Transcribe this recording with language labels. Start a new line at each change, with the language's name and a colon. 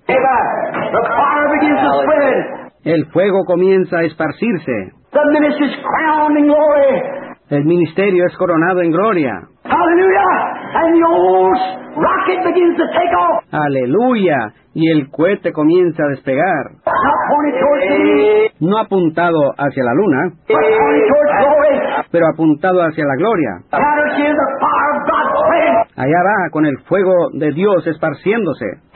English: The fire begins to spread.
Spanish: El fuego comienza a esparcirse.
English: The ministry's crowned in glory.
Spanish: El ministerio es coronado en gloria.
English: Hallelujah! And the old rocket begins to take off.
Spanish: Aleluya! Y el cohete comienza a despegar.
English: Not pointed towards the moon.
Spanish: No apuntado hacia la luna.
English: But pointed towards glory.
Spanish: Pero apuntado hacia la gloria.
English: There she is, the fire of God spreading.
Spanish: Allá va con el fuego de Dios esparciéndose.